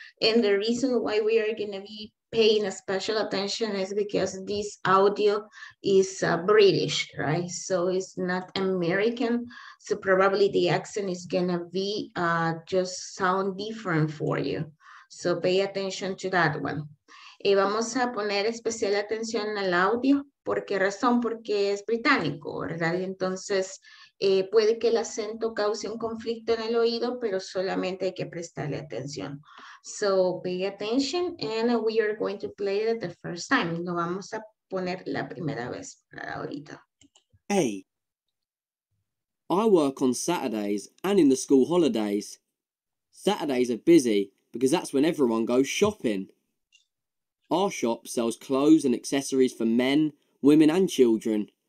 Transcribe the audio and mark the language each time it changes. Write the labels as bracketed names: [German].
[English] And the reason why we are going to be paying a special attention is because this audio is British, right? So it's not American. So probably the accent is going to be just sound different for you. So pay attention to that one. [Spanish] Y vamos a poner especial atención al audio. ¿Por qué razón? Porque es británico, ¿verdad? Y entonces puede que el acento cause un conflicto en el oído, pero solamente hay que prestarle atención. [English] So pay attention and we are going to play it the first time. [Spanish] Lo vamos a poner la primera vez para ahorita. [English] Hey, I work on Saturdays and in the school holidays. Saturdays are busy, because that's when everyone goes shopping. Our shop sells clothes and accessories for men, women and children.